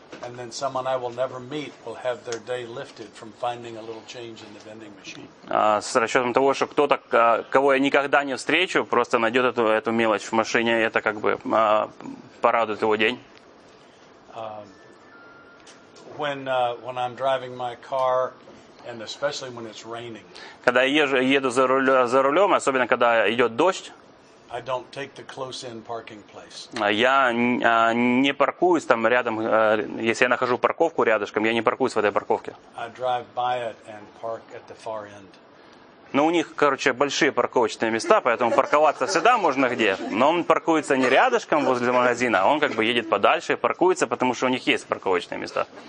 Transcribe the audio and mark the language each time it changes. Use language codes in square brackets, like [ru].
[en] And then someone I will never meet will have their day lifted from finding a little change in the vending machine. [ru] С расчетом того, что кто-то, кого я никогда не встречу, просто найдет эту мелочь в машине, и это как бы порадует его день. [en] When I'm driving my car, and especially when it's raining. [ru] Когда я еду за рулем, особенно когда идет дождь, [en] I don't take the close-in parking place. [ru] Я не паркуюсь там рядом, если я нахожу парковку рядышком, я не паркуюсь в этой парковке. [en] I drive by it and park at the far end. [ru] Но у них, короче, большие парковочные места, поэтому парковаться всегда можно где. Но он паркуется не рядышком возле магазина, он как бы едет подальше и паркуется, потому что у них есть парковочные места.